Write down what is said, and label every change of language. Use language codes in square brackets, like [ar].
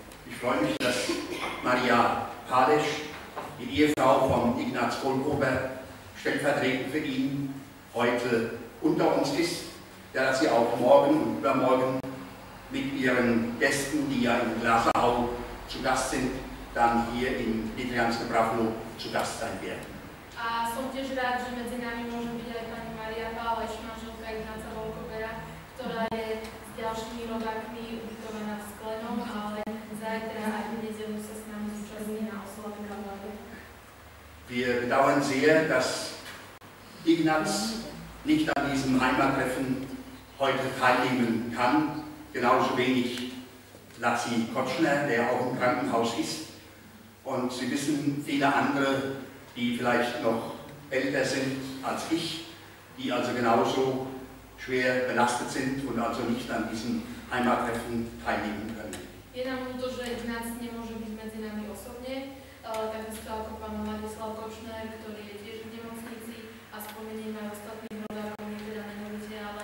[de] Ich freue mich, dass Maria Palesch, die Ehefrau von Ignaz Kohlgruber, stellvertretend für ihn heute unter uns ist, dass sie auch morgen und übermorgen mit ihren Gästen, die ja in Glasau zu Gast sind, dann hier in Nitrianske Pravno zu Gast sein werden. [sk] A som tiež rád, že medzi nami môže byť aj pani Maria Páleš, manželka Ignáca Volkobera, ktorá je s ďalšími rodákmi ubytovaná v Sklenom, ale zajtra aj v nedeľu sa s nami zúčastní na oslave Kalvárie. [de] Wir bedauern sehr, dass Ignaz nicht an diesem Heimattreffen heute teilnehmen kann, genauso wenig Lassi Kotschner, der auch im Krankenhaus ist. Und Sie wissen, viele andere, die vielleicht noch älter sind als ich, die also genauso schwer belastet sind und also nicht an diesem Heimattreffen teilnehmen können. [sk] Je nám ľúto, že Ignác nemôže byť medzi nami osobne, takisto ako pán Ladislav Kočner, ktorý je tiež v nemocnici a spomeniem aj ostatných rodákov, ktorí teda nemôžete,